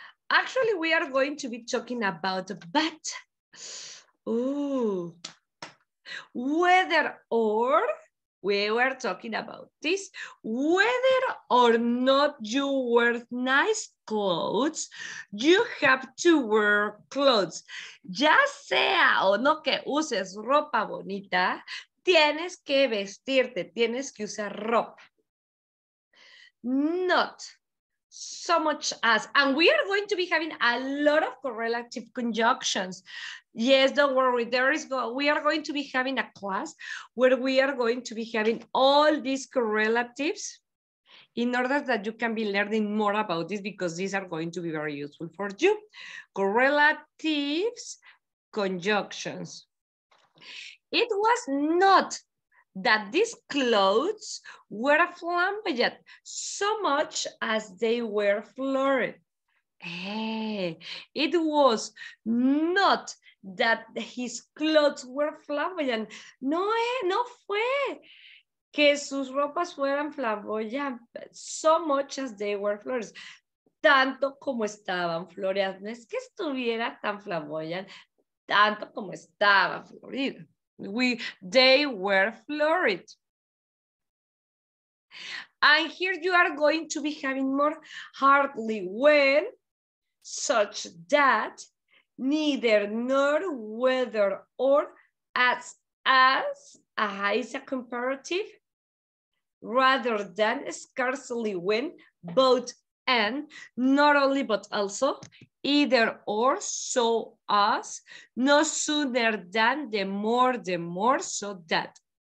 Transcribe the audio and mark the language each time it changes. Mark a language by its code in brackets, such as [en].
[en] Actually, we are going to be talking about but. Ooh. Whether or. We were talking about this. Whether or not you wear nice clothes, you have to wear clothes. [es] Ya sea o no que uses ropa bonita, tienes que vestirte, tienes que usar ropa. [en] Not so much as, and we are going to be having a lot of correlative conjunctions. Yes, don't worry, we are going to be having a class where we are going to be having all these correlatives in order that you can be learning more about this because these are going to be very useful for you. Correlatives, conjunctions. It was not that these clothes were flamboyant so much as they were florid. Hey, it was not that his clothes were flamboyant. [es] No, no fue que sus ropas fueran flamboyantes [en] so much as they were [es] flores. Tanto como estaban floreadas. No es que estuviera tan flamboyante, tanto como estaba florido. [en] They were florid. And here you are going to be having more hardly when, such that, neither nor whether or as is a comparative, rather than scarcely when, both and, not only but also, either or, so as, no sooner than, the more, so that.